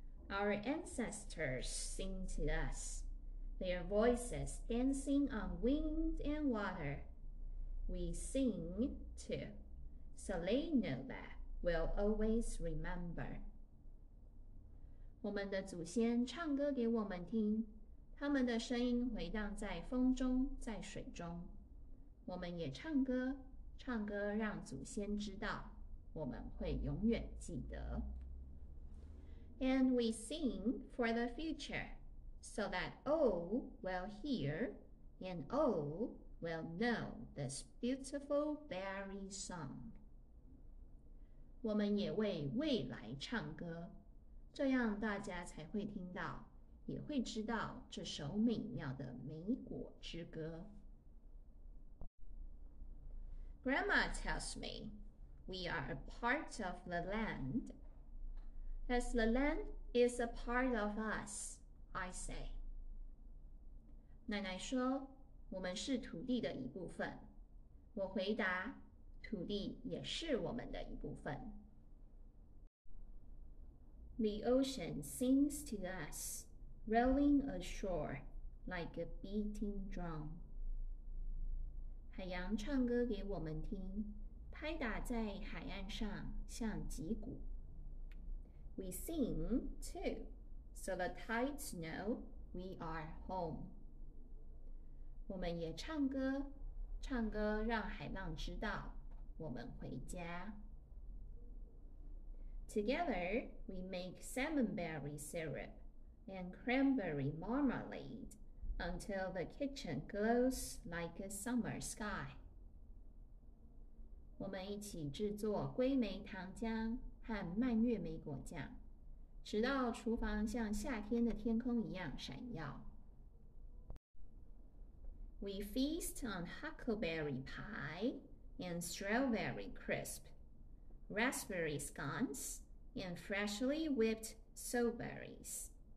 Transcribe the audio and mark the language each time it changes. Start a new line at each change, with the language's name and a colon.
English: Our ancestors sing to us, their voices dancing on wind and water. We sing to Selena that we'll always remember.
Chinese: 我们的祖先唱歌给我们听，他们的声音回荡在风中，在水中。我们也唱歌，唱歌让祖先知道，我们会永远记得。
English: And we sing for the future, so that all will hear and all will know this beautiful berry song.
Chinese: 我们也为未来唱歌，这样大家才会听到，也会知道这首美妙的莓果之歌。
English: Grandma tells me, we are a part of the land. As the land is a part of us, I say.
Chinese: 奶奶说，我们是土地的一部分。我回答，土地也是我们的一部分。
English: The ocean sings to us, rolling ashore like a beating drum.
Chinese: 海洋唱歌给我们听，拍打在海岸上像击鼓。
English: We sing too, so the tides know we are home.
Chinese: 我们也唱歌，唱歌让海浪知道我们回家。
English: Together, we make salmonberry syrup and cranberry marmalade until the kitchen glows like a summer sky.
Chinese: 我们一起制作龟梅糖浆和蔓越莓果酱，直到厨房像夏天的天空一样闪耀。
English: We feast on huckleberry pie and strawberry crisp, raspberry scones and freshly whipped sowberries.